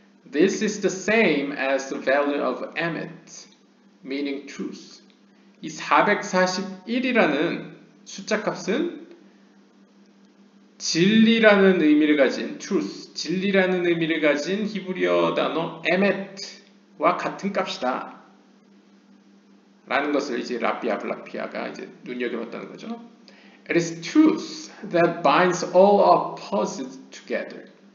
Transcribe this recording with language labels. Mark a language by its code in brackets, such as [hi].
[en] This is the same as the value of emet, meaning truth. [ko] 이 441이라는 숫자 값은 진리라는 의미를 가진 truth, 진리라는 의미를 가진 히브리어 단어 emet와 같은 값이다. 라는 것을 이제 라피아 블라피아가 이제 눈여겨봤다는 거죠. [en] It is truth that binds all opposites together.